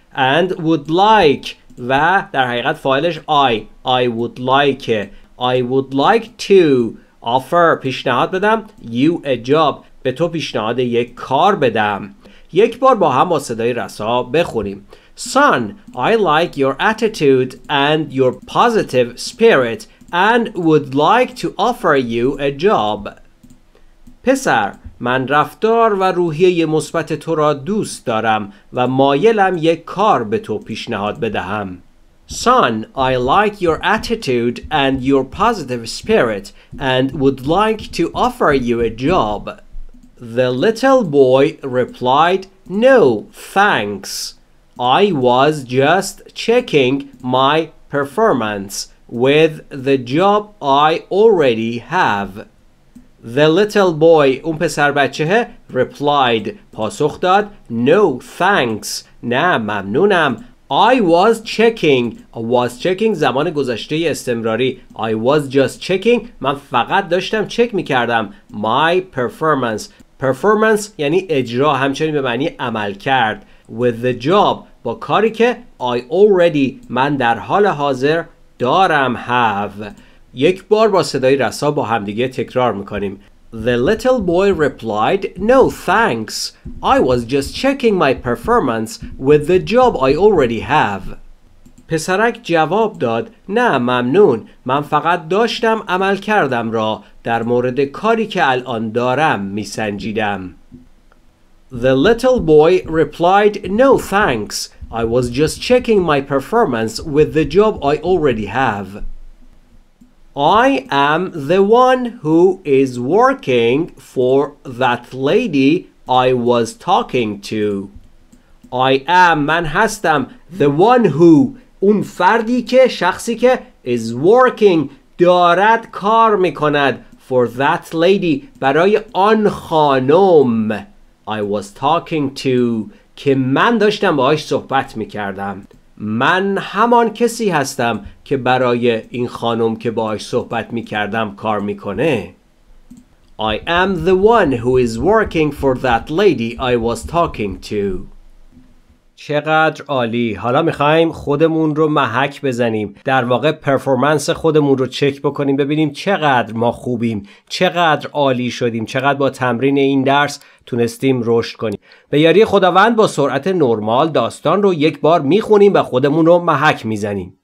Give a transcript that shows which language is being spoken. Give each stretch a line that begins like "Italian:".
English: And would like,
Persian: و در حقیقت فاعلش
English: I would like, I would like to offer,
Persian: پیشنهاد بدم,
English: you a job,
Persian: به تو پیشنهاد یک کار بدم. یک بار با هم با صدای رسا بخونیم.
English: Son, I like your attitude and your positive spirit and would like to offer you a job.
Persian: پسر, من رفتار و روحیه مثبت تو را دوست دارم و مایلم یک کار به تو پیشنهاد بدهم.
English: Son, I like your attitude and your positive spirit and would like to offer you a job. The little boy replied, No, thanks. I was just checking my performance with the job I already have. The little boy,
Persian: اون پسر بچه,
English: replied,
Persian: پاسخ داد,
English: No, thanks.
Persian: نه, ممنونم.
English: I was checking. Was checking
Persian: زمان گذشته استمراری.
English: I was just checking.
Persian: من فقط داشتم چک میکردم.
English: My performance.
Persian: Performance یعنی اجرا, همچنین به معنی عمل کرد.
English: With the job,
Persian: با کاری که
English: I already,
Persian: من در حال حاضر دارم,
English: have.
Persian: یک بار با صدای رسا با همدیگه تکرار میکنیم.
English: The little boy replied, No, thanks. I was just checking my performance with the job I already have.
Persian: پسرک جواب داد, نه ممنون, من فقط داشتم عمل کردم را در مورد کاری که الان دارم میسنجیدم.
English: The little boy replied, No, thanks. I was just checking my performance with the job I already have. I am the one who is working for that lady I was talking to. I am,
Persian: من هستم,
English: the one who,
Persian: اون فردی که, شخصی که,
English: is working,
Persian: دارد کار میکند,
English: for that lady,
Persian: برای آن خانم,
English: I was talking to,
Persian: که من داشتم باهاش صحبت میکردم. من همان کسی هستم که برای این خانم که باهاش صحبت میکردم کار میکنه.
English: I am the one who is working for that lady I was talking to.
Persian: چقدر عالی. حالا میخواییم خودمون رو محک بزنیم. در واقع پرفورمنس خودمون رو چک بکنیم. ببینیم چقدر ما خوبیم. چقدر عالی شدیم. چقدر با تمرین این درس تونستیم رشد کنیم. به یاری خداوند با سرعت نرمال داستان رو یک بار میخونیم و خودمون رو محک میزنیم.